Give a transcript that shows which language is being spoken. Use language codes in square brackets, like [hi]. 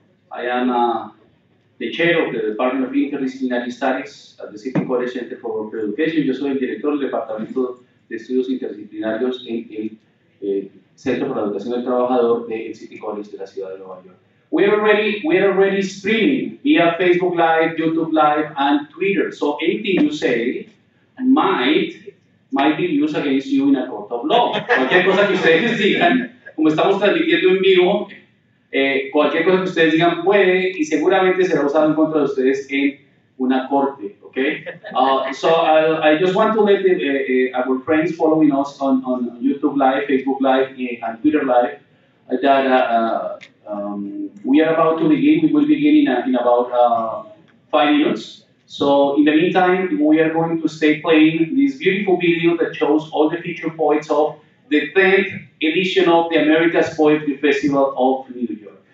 [en] I am the chair of the Department of Interdisciplinary Studies at the City College Center for Open Education. [es] Yo soy el director del Departamento de Estudios Interdisciplinarios en el Centro para la Educación del Trabajador del City College de la Ciudad de Nueva York. [en] We are already streaming via Facebook Live, YouTube Live, and Twitter. So anything you say might be used against you in a court of law. [es] Cualquier cosa que ustedes digan, como estamos transmitiendo en vivo, cualquier cosa que ustedes digan puede y seguramente será usado en contra de ustedes en una corte, okay? [en] So I just want to let our friends following us on YouTube Live, Facebook Live, and Twitter Live that we are about to begin. We will begin in about 5 minutes. So in the meantime, we are going to stay playing this beautiful video that shows all the feature poets of the 10th edition of the America's Poetry Festival of New York.